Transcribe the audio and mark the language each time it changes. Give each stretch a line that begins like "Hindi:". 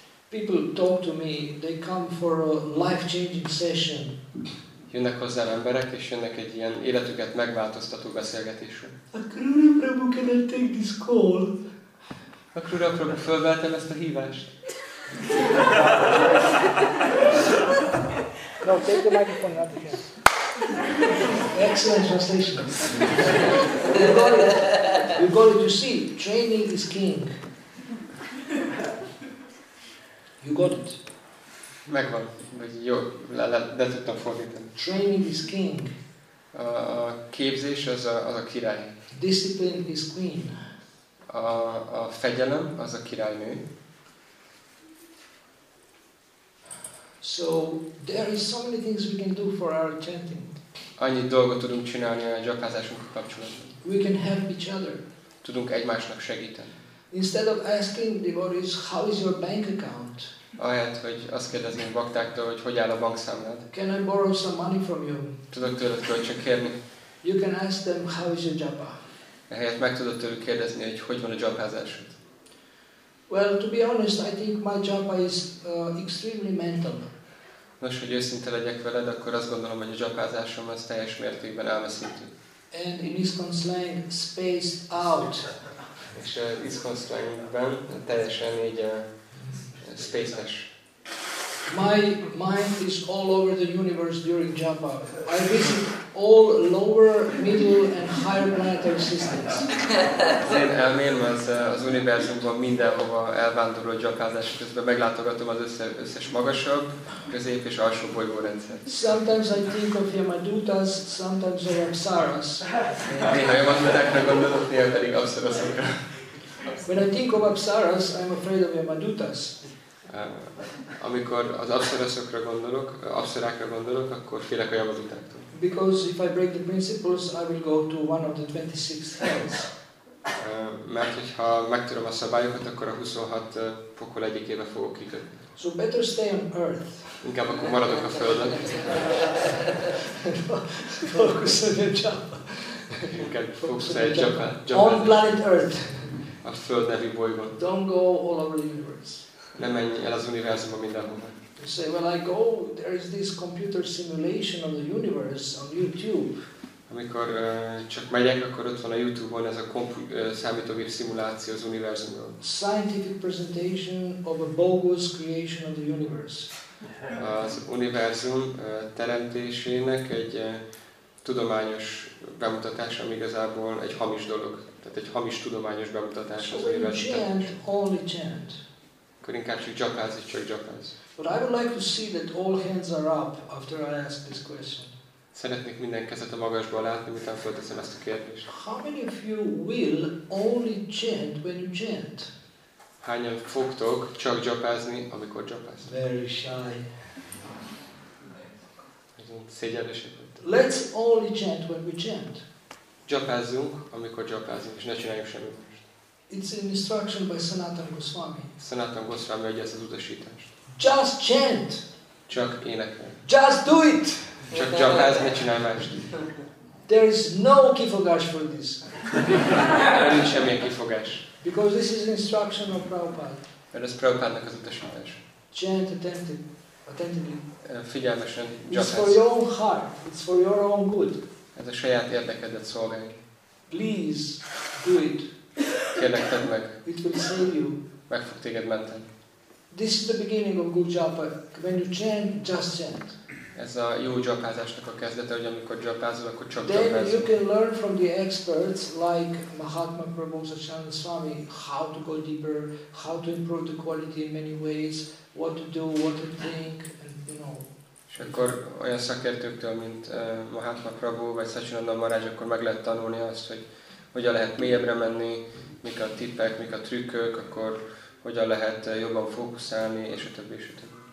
English: People talk to me, they come for a life-changing session.
Hungarian: Jönnek hozzá emberek, és jönnek egy ilyen életüket megváltoztató beszélgetésre.
English: Akrura Prabhu, can I take this call?
Hungarian: Akrura Prabhu, fölveltem ezt a hívást.
English: No, take the microphone out of here. Excellent translation. You got it, you see, training is king. You got it.
Hungarian: Megvan, vagy jó, le tudtam fordítani.
English: Training is king.
Hungarian: A képzés az a király.
English: Discipline is queen.
Hungarian: A fegyelem az a királynő.
English: So there is so many things we can do for our chanting.
Hungarian: Annyi dolgot tudunk csinálni a gyakázásunk kapcsolatban.
English: We can help each other.
Hungarian: Tudunk egymásnak segíteni.
English: Instead of asking devotees, how is your bank account?
Hungarian: Ahelyett, hogy azt kérdezni a baktáktól, hogy hogy áll a bankszámlád?
English: Can I borrow some money from you?
Hungarian: Tudok tőled kölcsön kérni?
English: You can ask them, how is your japa?
Hungarian: Ehelyett meg tudod tőlük kérdezni, hogy hogy van a japázásod?
English: Well, to be honest, I think my japa is extremely mental.
Hungarian: Nos, hogy őszinte legyek veled, akkor azt gondolom, hogy a japázásom az teljes mértékben elmeszítő.
English: And in iskon slang, spaced out.
Hungarian: És iskon slangben teljesen így spaces.
English: My mind is all over the universe during japa. I visit all lower, middle and higher planetary systems.
Hungarian: Én elmélem az univerzumban mindenhova elvándorló japázás közben meglátogatom az összes magasabb, közép és alsó bolygórendszert.
English: Sometimes I think of Yamadutas, sometimes of Apsaras.
Hungarian: Néha Yamadutáknak gondolok, néha pedig Apsarasokra.
English: When I think of Apsaras, I'm afraid of Yamadutas.
Hungarian: Amikor az abszoraszokra gondolok, abszorákra gondolok, akkor félek a javadutáktól.
English: Because if I break the principles, I will go to one of the 26 hells.
Hungarian: Mert hogyha megtöröm a szabályokat, akkor a 26 pokol egyikébe fogok kikötni.
English: So better stay on earth.
Hungarian: Inkább akkor maradok a Földön. Fókuszolj a csapat. Inkább fókuszolj a csapat.
English: On planet earth.
Hungarian: A Föld nevű bolygón.
English: Don't go all over the universe.
Hungarian: Nem menj el az univerzumban mindenhol.
English: You say, well, I go, there is this computer simulation of the universe on YouTube.
Hungarian: Amikor csak megyek, akkor ott van a YouTube-on ez a számítógép szimuláció az univerzumról.
English: Scientific presentation of a bogus creation of the universe.
Hungarian: Az univerzum teremtésének egy tudományos bemutatása, ami igazából egy hamis dolog. Tehát egy hamis tudományos bemutatása az
English: univerzum. Chant, only chant.
Hungarian: Akkor inkább csak japáz, csak japáz.
English: But I would like to see that all hands are up after I ask this question.
Hungarian: Szeretnék minden kezet a magasban látni, miután fölteszem ezt a kérdést.
English: How many of you will only chant when you chant?
Hungarian: Hányan fogtok csak japázni, amikor japáztok?
English: Very shy.
Hungarian: Szégyenlősek.
English: Let's only chant when we chant.
Hungarian: Japázzunk, amikor japázunk, és ne csináljuk semmit.
English: It's an instruction by Sanatana Goswami.
Hungarian: Sanatana Goswami adja ezt az utasítást.
English: Just chant.
Hungarian: Csak énekel.
English: Just do it.
Hungarian: Csak japáz, ne csinálj mást.
English: There is no kifogás for this.
Hungarian: Nincs semmi kifogás.
English: Because this is instruction of Prabhupada.
Hungarian: Mert ez Prabhupádnak az utasítás.
English: Chant attentively.
Hungarian: Figyelmesen
English: japáz. It's for your own heart. It's for your own good.
Hungarian: Ez a saját érdekedet szolgálja.
English: Please do it.
Hungarian: Kérlek, tedd meg.
English: It will save you.
Hungarian: Meg fog téged menteni.
English: This is the beginning of good japa. When you chant, just chant.
Hungarian: Ez a jó japázásnak a kezdete, hogy amikor japázol, akkor csak japázol.
English: Then you can learn from the experts like Mahatma Prabhu Sachana Swami how to go deeper, how to improve the quality in many ways, what to do, what to think, and you know.
Hungarian: És akkor olyan szakértőktől, mint Mahatma Prabhu vagy Sachinanda Maharaj, akkor meg lehet tanulni azt, hogy hogyan lehet mélyebbre menni, mik a tippek, mik a trükkök, akkor hogyan lehet jobban fókuszálni, és a többi, és a többi.